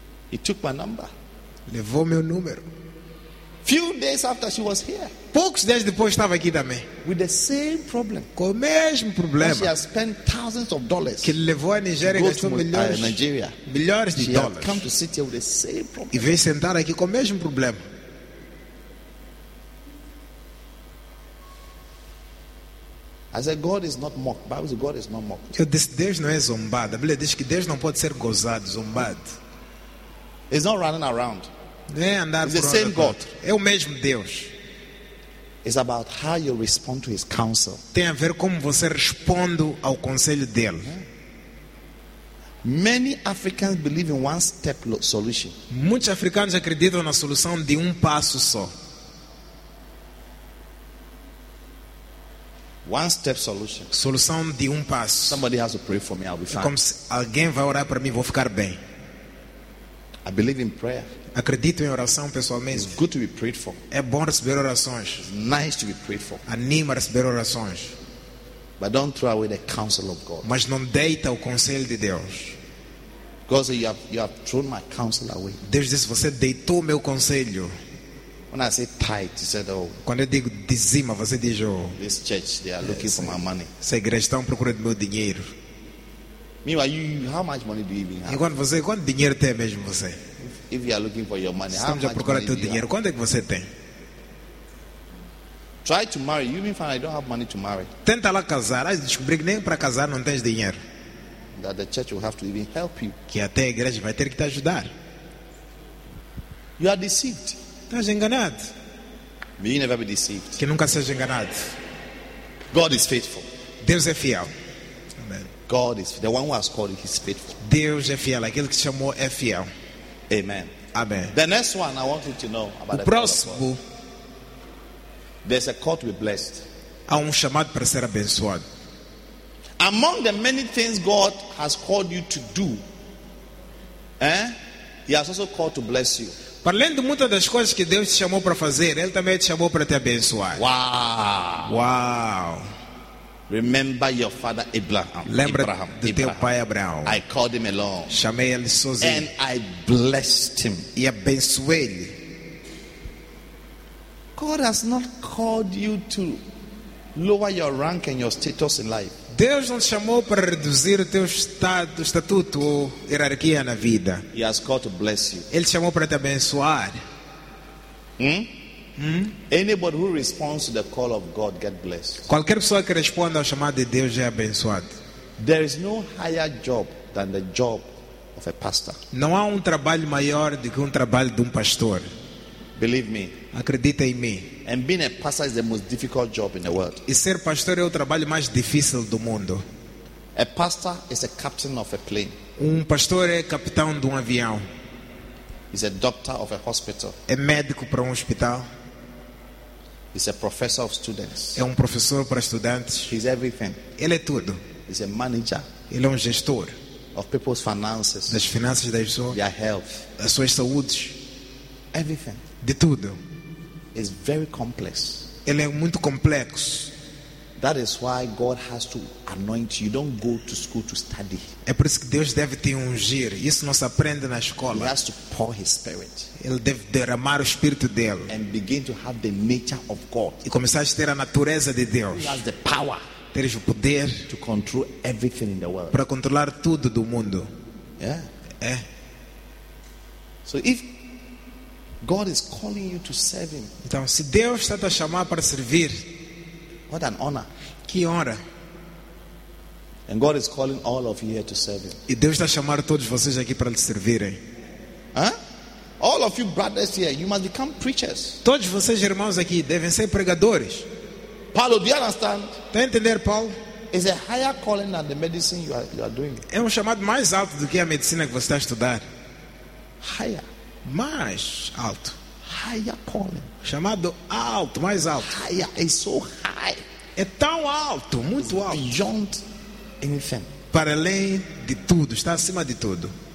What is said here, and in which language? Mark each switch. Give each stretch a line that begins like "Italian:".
English: He took my number.
Portuguese: Levou meu número.
English: Few days after she was here.
Portuguese: Poucos dias depois estava aqui também.
English: With the same problem.
Portuguese: Com o mesmo problema.
English: She has spent thousands of dollars.
Portuguese: Que levou a Nigéria gastou milhões.
English: Nigeria.
Portuguese: Milhares de
English: she
Portuguese: dólares.
English: Come to sit here with the same problem.
Portuguese: E veio sentar aqui com o mesmo problema.
English: I said, God is not mocked. Bible says God is not mocked.
Portuguese: Eu disse, Deus não é zombado. A Bíblia diz que Deus não pode ser gozado, zombado.
English: He's not running around.
Portuguese: Não é andar por
English: the same God.
Portuguese: É o mesmo Deus.
English: It's about how you respond to his counsel.
Portuguese: Tem a ver como você responde ao conselho dele.
English: Many Africans believe in one step solution.
Portuguese: Muitos africanos acreditam na solução de passo só.
English: One step solution.
Portuguese: Solução de passo.
English: Somebody has to pray for me, I'll be fine.
Portuguese: Como se alguém vai orar para mim, vou ficar bem.
English: I believe in prayer.
Portuguese: Acredito em oração pessoalmente.
English: It's good to be prayed for.
Portuguese: É bom receber orações.
English: It's nice to be prayed for.
Portuguese: Anima receber orações.
English: But don't throw away the counsel of God.
Portuguese: Mas não deita o conselho de Deus.
English: God said, you have thrown my counsel away.
Portuguese: Deus disse, você deitou meu conselho.
English: When I say tight, you said, oh.
Portuguese: Quando eu digo dizima, você diz, oh.
English: This church, they are looking for my money.
Portuguese: Essa igreja está procurando meu dinheiro.
English: Meanwhile, how much money do you even have?
Portuguese: E quando você, quanto dinheiro tem mesmo você?
English: If you are looking for your money, how much money do you have?
Portuguese: Dinheiro, quanto é que você tem?
English: Try to marry. You even find I don't have money to marry.
Portuguese: Tenta lá casar. Aí descobri que nem para casar não tens dinheiro.
English: That the church will have to even help you.
Portuguese: Que até a igreja vai ter que te ajudar.
English: You are deceived.
Portuguese: Estás enganado.
English: May you never be deceived.
Portuguese: Que nunca seja enganado.
English: God is faithful.
Portuguese: Deus é fiel.
English: Amen. God is the one who has called you, he's faithful.
Portuguese: Deus é fiel. Aquele que te chamou é fiel.
English: Amen. Amen. The next one I want you to know about
Portuguese: o próximo.
English: There's a call to be blessed.
Portuguese: Há chamado para ser abençoado.
English: Among the many things God has called you to do, he has also called to bless you.
Portuguese: Para além de muitas das coisas que Deus te chamou para fazer, ele também te chamou para te abençoar.
English: Wow. Remember your father Abraham.
Portuguese: Lembra do teu pai Abraão.
English: I called him along.
Portuguese: Chamei ele sozinho.
English: And I blessed him.
Portuguese: E abençoei-lhe.
English: God has not called you to lower your rank and your status in life.
Portuguese: Deus não te chamou para reduzir o teu estatuto ou hierarquia na vida.
English: He has called to bless you.
Portuguese: Ele te chamou para te abençoar.
English: Anybody who responds to the call of God get blessed.
Portuguese: Qualquer pessoa que responda ao chamado de Deus é abençoado.
English: There is no higher job than the job of a pastor.
Portuguese: Não há trabalho maior do que trabalho de pastor.
English: Believe me.
Portuguese: Acredita em mim.
English: And being a pastor is the most difficult job in the world.
Portuguese: E ser pastor é o trabalho mais difícil do mundo.
English: A pastor is a captain of a plane.
Portuguese: Pastor é capitão de avião.
English: He's a doctor of a hospital.
Portuguese: É médico para hospital.
English: He's a professor of students.
Portuguese: É professor para estudantes.
English: He's everything.
Portuguese: Ele é tudo.
English: He's a manager.
Portuguese: Ele é gestor.
English: Of people's finances.
Portuguese: Das finanças das pessoas.
English: Their health.
Portuguese: Das suas saúdes.
English: Everything.
Portuguese: De tudo.
English: It's very complex.
Portuguese: Ele é muito complexo.
English: That is why God has to anoint you. You don't go to school to study.
Portuguese: É por isso que Deus deve te ungir. Isso não se aprende na escola.
English: He has to pour his spirit.
Portuguese: Ele deve derramar o espírito dele.
English: And begin to have the nature of God.
Portuguese: E começar a ter a natureza de Deus.
English: He has the power.
Portuguese: Teres o poder
English: to control everything in the world.
Portuguese: Para controlar tudo do mundo.
English: Yeah. So if God is calling you to serve him.
Portuguese: Então, se Deus está a chamar para servir,
English: what an honor.
Portuguese: Que honra.
English: And God is calling all of you here to serve him.
Portuguese: E Deus está a chamar todos vocês aqui para lhe servirem. Huh?
English: All of you brothers here, you must become preachers.
Portuguese: Todos vocês irmãos aqui devem ser pregadores.
English: Paulo, do you understand?
Portuguese: Tá entender, Paulo?
English: It's a higher calling than the medicine you are doing.
Portuguese: É chamado mais alto do que a medicina que você está a estudar.
English: Higher.
Portuguese: Mais alto.
English: Higher calling.
Portuguese: Chamado alto, mais alto.
English: Higher is so high.
Portuguese: É tão alto, muito alto.
English: Beyond anything.
Portuguese: Para além de tudo, está acima de tudo.